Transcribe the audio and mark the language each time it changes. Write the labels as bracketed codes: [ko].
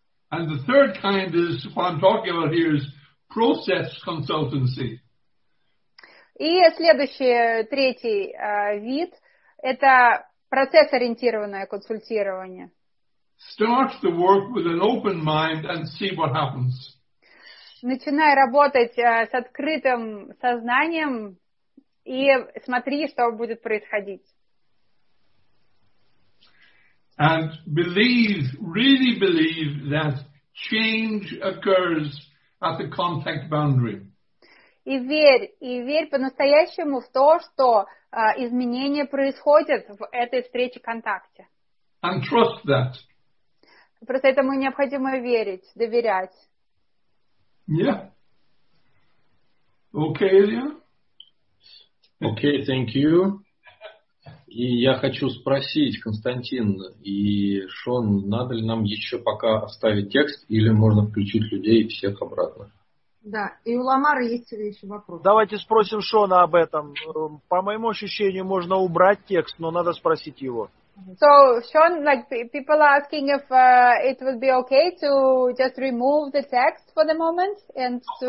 [en] And the third kind is what I'm talking about here is process consultancy. [ru] И следующий, третий вид – это процесс-ориентированное консультирование. [en] Start the work with an open mind and see what happens. [ru] Начинай работать с открытым сознанием и смотри, что будет происходить. [en] And believe, really believe that change occurs at the contact boundary. [ru] И верь по-настоящему в то, что изменения происходят в этой встрече контакте. [en] And trust that. [ru] Просто этому необходимо верить, доверять. [en] Yeah. Okay, Илья? Okay, thank you. [ru] И я хочу спросить, Константин и Шон, надо ли нам еще пока оставить текст, или можно включить людей и всех обратно? Да, и у Ламары есть еще вопрос. Давайте спросим Шона об этом. По моему ощущению, можно убрать текст, но надо спросить его. [en] So, Sean, like people are asking if it would be okay to just remove the text for the moment and to...